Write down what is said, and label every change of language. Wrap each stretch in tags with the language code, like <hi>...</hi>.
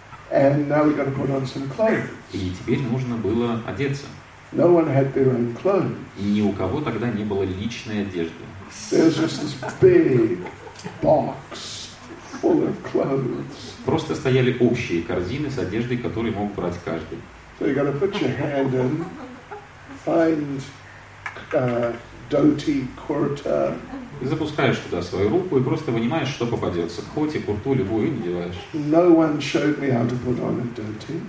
<en>And now we got to put on some clothes.</en> <ru>И теперь нужно было одеться.</ru> <en>No one had their own clothes.</en> <ru>Ни у кого тогда не было личной одежды.</ru> <en>There's just this big box full of clothes.</en> <ru>Просто стояли общие корзины с одеждой, которые мог брать каждый.</ru> <en>So you got to put your hand in, find dhoti, kurta.</en> <ru>И запускаешь туда свою руку и просто вынимаешь, что попадется. Хоть и курту, любую надеваешь.</ru> <en>No one showed me how to put on a dhoti.</en>